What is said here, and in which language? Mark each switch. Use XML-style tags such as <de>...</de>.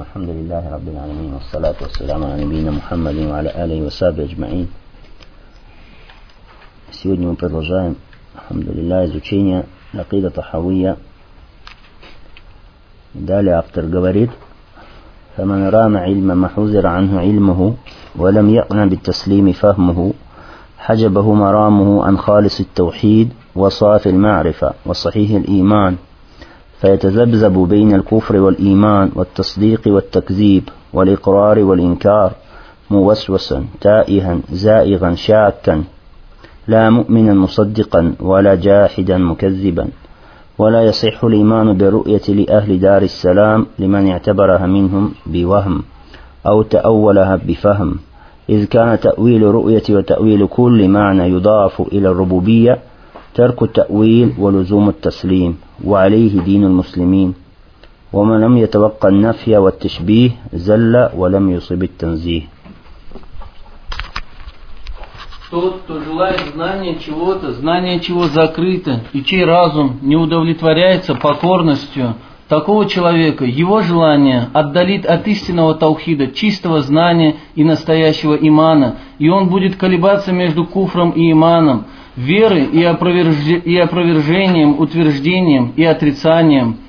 <ar>الحمد لله رب العالمين، والصلاة والسلام على نبينا محمد وعلى آله وصحبه أجمعين.</ar> <ru>Сегодня мы продолжаем,</ru> <ar>الحمد لله,</ar> <ru>изучение عقيدة الطحاوية. Далее автор говорит:</ru> <ar>فمن رام علما ما حذر عنه علمه ولم يقنع بالتسليم فهمه حجبه مرامه عن خالص التوحيد وصافي المعرفة وصحيح الإيمان، فيتذبذب بين الكفر والإيمان والتصديق والتكذيب والإقرار والإنكار موسوسا تائها زائغا شاكا، لا مؤمنا مصدقا ولا جاحدا مكذبا. ولا يصح الإيمان بالرؤية لأهل دار السلام لمن اعتبرها منهم بوهم أو تأولها بفهم، إذ كان تأويل رؤية وتأويل كل معنى يضاف إلى الربوبية ترك التأويل ولزوم التسليم، وعليه دين المسلمين. ومن لم يتوقع النفي والتشبيه زل ولم يصب التنزيه.</ar> <ru>Тот, кто желает знания чего закрыто, и чей разум не удовлетворяется покорностью, такого человека его желание отдалит от истинного таухида, чистого знания и настоящего имана, и он будет колебаться между куфром и иманом, веры и опровержением, утверждением и отрицанием.</ru>